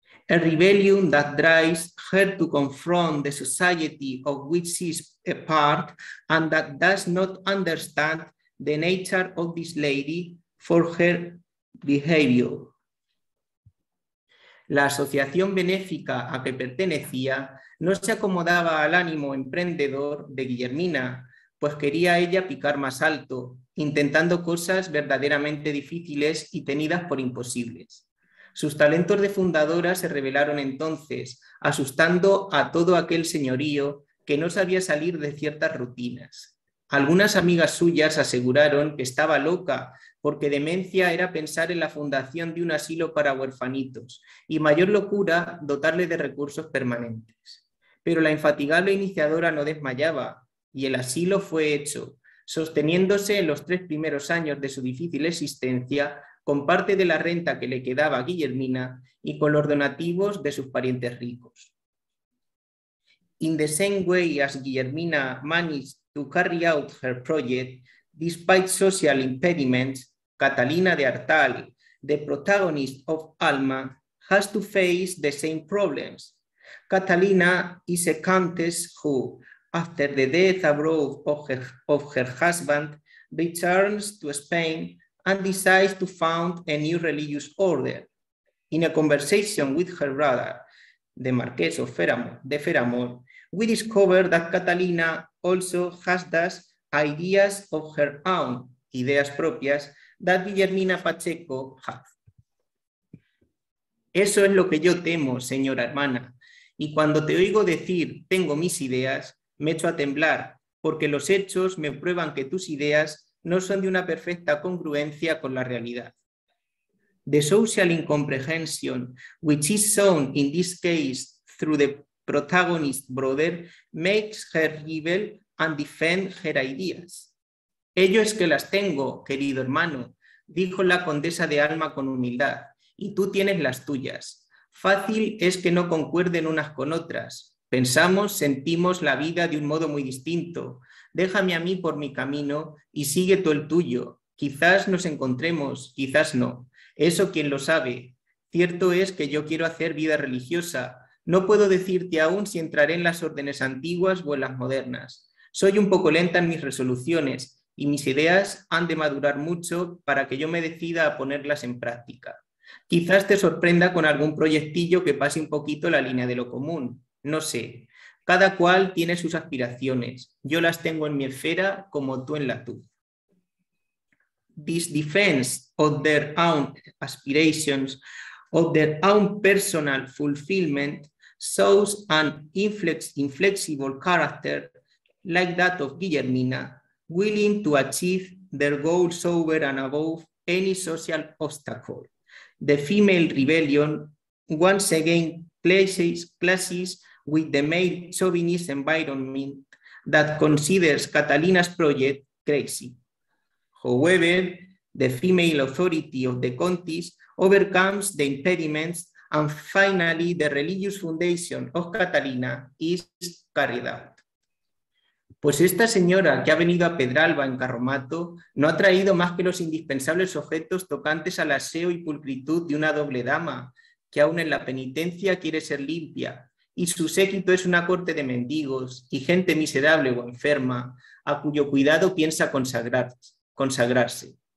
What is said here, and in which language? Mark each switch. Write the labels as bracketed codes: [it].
[en] A rebellion that drives her to confront the society of which she is a part and that does not understand the nature of this lady for her behavior. [es] La asociación benéfica a que pertenecía no se acomodaba al ánimo emprendedor de Guillermina, pues quería ella picar más alto, intentando cosas verdaderamente difíciles y tenidas por imposibles. Sus talentos de fundadora se revelaron entonces, asustando a todo aquel señorío que no sabía salir de ciertas rutinas. Algunas amigas suyas aseguraron que estaba loca porque demencia era pensar en la fundación de un asilo para huerfanitos y mayor locura dotarle de recursos permanentes. Pero la infatigable iniciadora no desmayaba y el asilo fue hecho, sosteniéndose en los tres primeros años de su difícil existencia con parte de la renta que le quedaba a Guillermina y con los donativos de sus parientes ricos. [en] In the same way as Guillermina managed to carry out her project, despite social impediments, Catalina de Artal, the protagonist of Alma, has to face the same problems. Catalina is a countess who, after the death abroad of her husband, returns to Spain and decides to found a new religious order. In a conversation with her brother, the Marquess of Feramore, we discover that Catalina also has thus ideas of her own, [es] ideas propias, [en] that Guillermina Pacheco has. [es] Eso es lo que yo temo, señora hermana. Y cuando te oigo decir tengo mis ideas, me echo a temblar, porque los hechos me prueban que tus ideas no son de una perfecta congruencia con la realidad. [en] The social incomprehension, which is shown in this case through the protagonist brother, makes her rebel and defend her ideas. [es] Ello es que las tengo, querido hermano, dijo la condesa de Alma con humildad, y tú tienes las tuyas. Fácil es que no concuerden unas con otras. Pensamos, sentimos la vida de un modo muy distinto. Déjame a mí por mi camino y sigue tú el tuyo. Quizás nos encontremos, quizás no. Eso quién lo sabe. Cierto es que yo quiero hacer vida religiosa. No puedo decirte aún si entraré en las órdenes antiguas o en las modernas. Soy un poco lenta en mis resoluciones y mis ideas han de madurar mucho para que yo me decida a ponerlas en práctica. Quizás te sorprenda con algún proyectillo que pase un poquito la línea de lo común. No sé. Cada cual tiene sus aspiraciones. Yo las tengo en mi esfera como tú en la tuya. [en] This defense of their own aspirations, of their own personal fulfillment, shows an inflexible character like that of Guillermina, willing to achieve their goals over and above any social obstacle. The female rebellion once again clashes with the male chauvinist environment that considers Catalina's project crazy. However, the female authority of the counties overcomes the impediments and finally the religious foundation of Catalina is carried out. [es] Pues esta señora que ha venido a Pedralba en carromato no ha traído más que los indispensables objetos tocantes al aseo y pulcritud de una doble dama que aún en la penitencia quiere ser limpia. Y su séquito es una corte de mendigos y gente miserable o enferma a cuyo cuidado piensa consagrarse.